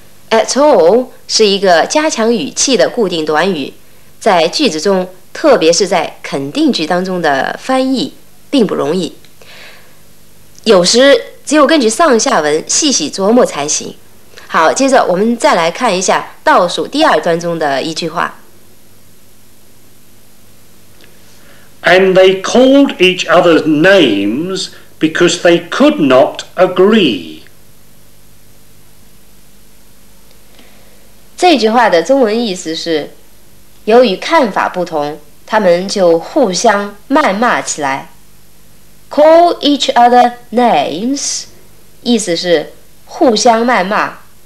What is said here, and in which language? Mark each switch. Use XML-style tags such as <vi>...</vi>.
<zh>At all 是一个加强语气的固定短语，在句子中，特别是在肯定句当中的翻译并不容易，有时只有根据上下文细细琢磨才行。好，接着我们再来看一下倒数第二段中的一句话。</zh> <en>And they called each other's names because they could not agree.</en> <zh>这句话的中文意思是，由于看法不同，他们就互相谩骂起来。</zh> <en>Call each other names，</en> <zh>意思是互相谩骂。</zh>